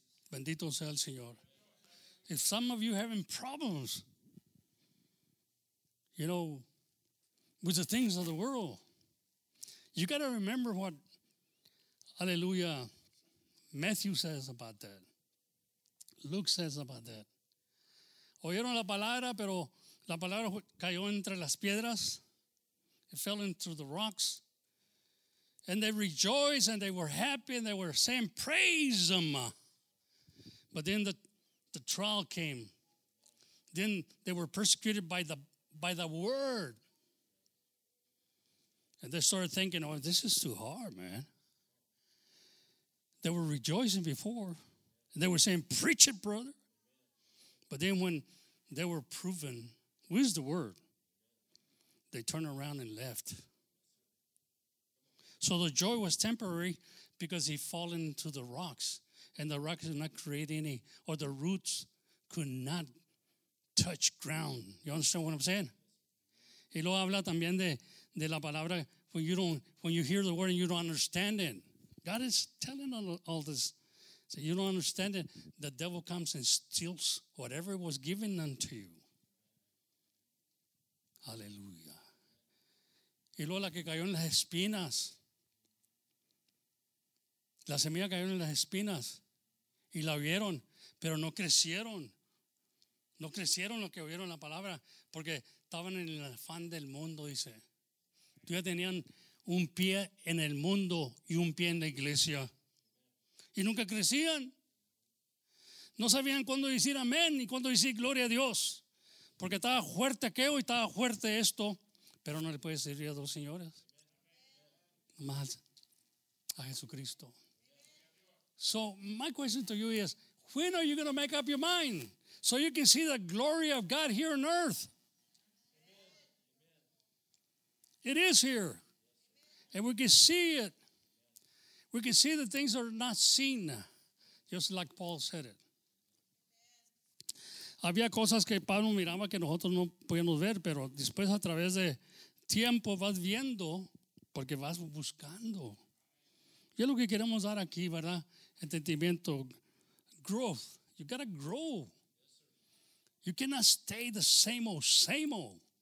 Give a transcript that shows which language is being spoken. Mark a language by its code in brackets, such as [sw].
[es] Bendito sea el Señor. [en] If some of you are having problems, you know, with the things of the world, you got to remember what, hallelujah, Matthew says about that. Luke says about that. [es] Oyeron la palabra, pero la palabra cayó entre las piedras. [en] It fell into the rocks. And they rejoiced and they were happy and they were saying, praise them. But then the trial came. Then they were persecuted by the word. And they started thinking, oh, this is too hard, man. They were rejoicing before. And they were saying, preach it, brother. But then when they were proven with the word, they turned around and left. So the joy was temporary because he fell into the rocks. And the rocks did not create any, or the roots could not touch ground. You understand what I'm saying? [es] Y luego habla también de la palabra, [en] when you hear the word and you don't understand it. God is telling all this. So you don't understand it. The devil comes and steals whatever was given unto you. Hallelujah. [es] Y luego la que cayó en las espinas. La semilla cayó en las espinas. Y la vieron, pero no crecieron. No crecieron lo que oyeron la palabra. Porque estaban en el afán del mundo, dice. Tú ya tenían un pie en el mundo y un pie en la iglesia. Y nunca crecían. No sabían cuándo decir amén y cuándo decir gloria a Dios. Porque estaba fuerte aquello y estaba fuerte esto. Pero no le puede servir a dos señores. Más a Jesucristo. [en] So, my question to you is, when are you going to make up your mind so you can see the glory of God here on earth? It is here. And we can see it. We can see the things that are not seen, just like Paul said it. [es] Había cosas que Pablo miraba que nosotros no podíamos ver, pero después a través de tiempo vas viendo porque vas buscando. Y es lo que queremos dar aquí, ¿verdad? [en] Entendimiento. Growth. You gotta grow. You cannot stay the same old, same old.